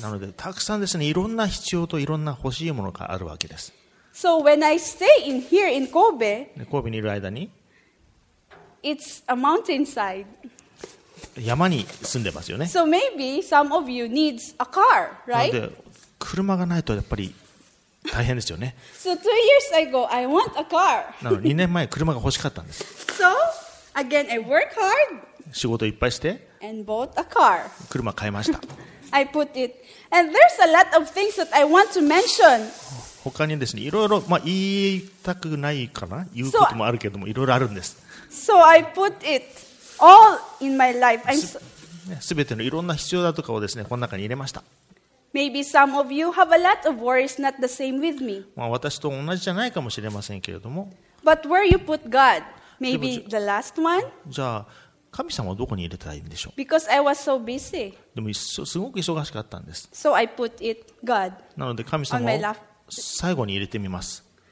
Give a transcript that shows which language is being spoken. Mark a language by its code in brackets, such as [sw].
[ja] なので、たくさんですね、いろんな必要といろんな欲しいものがあるわけです。 [en] So when I stay in here in Kobe, [ja] 神戸にいる間に、 [en] It's a mountainside. [ja] 山に住んでますよね。 [en] So maybe some of you needs a car, right? [ja] なので、車がないとやっぱり、大変ですよね。 [en] So 2 years ago, I want a car. [ja] なので2年前車が欲しかったんです。 [en] So again, I work hard. [ja] 仕事いっぱいして。 [en] And bought a car. [ja] 車買いました。 [en] I put it. And there's a lot of things that I want to mention. [ja] 他にですね、いろいろまあ言いたくないかな、言うこともあるけれども、いろいろあるんです。 [en] So I put it all in my life. [ja] すべてのいろんな必要だとかをですね、この中に入れました。 [en] Maybe some of you have a lot of worries, not the same with me. [ja] まあ私と同じじゃないかもしれませんけれども。 [en] But where you put God? Maybe the last one? [ja] じゃあ神様はどこに入れたらいいんでしょう? [en] Because I was so busy. [ja] でもすごく忙しかったんです。 [en] So I put it God. [ja] なので神様を最後に入れてみます。